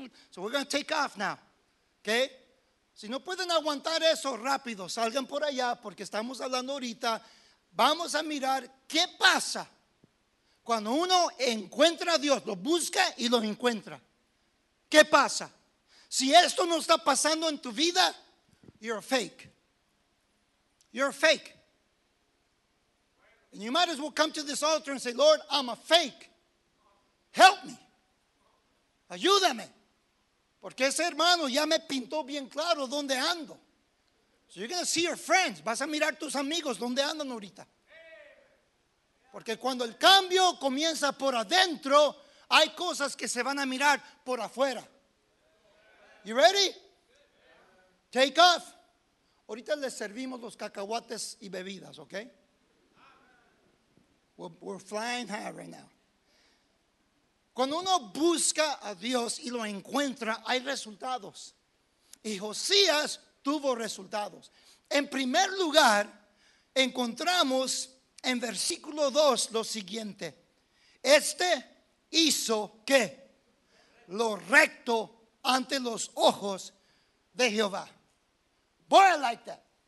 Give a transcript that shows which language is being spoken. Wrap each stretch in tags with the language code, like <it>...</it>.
<en>So we're going to take off now, okay?</en> <es>Si no pueden aguantar eso, rápido, salgan por allá, porque estamos hablando ahorita. Vamos a mirar qué pasa cuando uno encuentra a Dios, lo busca y lo encuentra. ¿Qué pasa? Si esto no está pasando en tu vida, you're fake. You're fake.</es> <en>And you might as well come to this altar and say, Lord, I'm a fake. Help me. Ayúdame.</en> <es>Porque ese hermano ya me pintó bien claro dónde ando.</es> <en>So you're going to see your friends.</en> <es>Vas a mirar tus amigos dónde andan ahorita. Porque cuando el cambio comienza por adentro, hay cosas que se van a mirar por afuera. You ready? Take off. Ahorita les servimos los cacahuates y bebidas, ¿ok?</es> <en>We're flying high right now.</en> <es>Cuando uno busca a Dios y lo encuentra, hay resultados. Y Josías tuvo resultados. En primer lugar, encontramos en versículo 2 lo siguiente. Este hizo ¿qué? Lo recto ante los ojos de Jehová. Boy, I like that.</es>